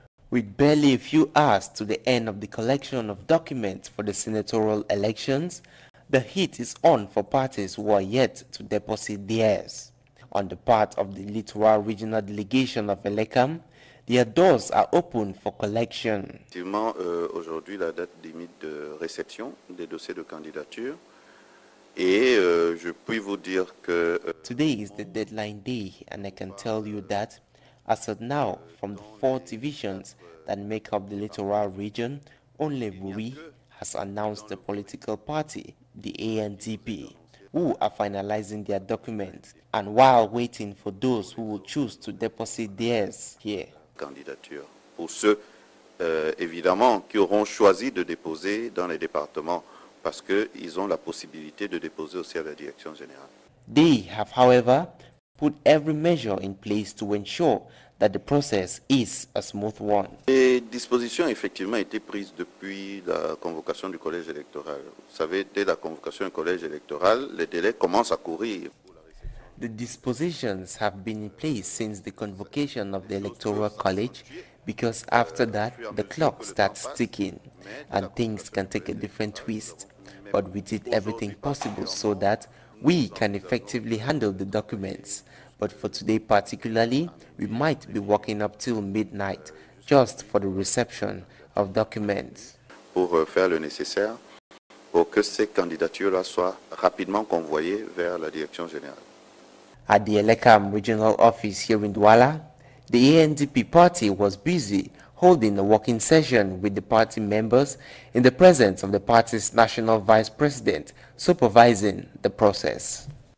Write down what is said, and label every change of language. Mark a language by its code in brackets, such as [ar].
[en] With barely a few hours to the end of the collection of documents for the senatorial elections, the heat is on for parties who are yet to deposit theirs. On the part of the Littoral Regional Delegation of ELECAM, their doors are open for collection. [fr] Effectivement, aujourd'hui, la date limite de réception des dossiers de candidature. Et je puis vous dire que... [en] Today is the deadline day, and I can tell you that, as of now, from the four divisions that make up the littoral region, only Vuri has announced the political party, the ANDP, who are finalizing their documents, and while waiting for those who will choose to deposit theirs here. [fr] Candidature pour ceux évidemment qui auront choisi de déposer dans les départements parce que ils ont la possibilité de déposer aussi à la direction générale. [en] They have, however, put every measure in place to ensure that the process is a smooth one. [fr] Les dispositions effectivement ont été prises depuis la convocation du collège électoral. Vous savez, dès la convocation du collège électoral, les délais commencent à courir. [en] The dispositions have been in place since the convocation of the Electoral College, because after that, the clock starts ticking and things can take a different twist. But we did everything possible so that we can effectively handle the documents. But for today particularly, we might be working up till midnight just for the reception of documents. [fr] Pour faire le nécessaire pour que ces candidatures-là soient rapidement convoyées vers la direction générale. [en] At the ELECAM regional office here in Douala, the ANDP party was busy holding a working session with the party members in the presence of the party's national vice president supervising the process.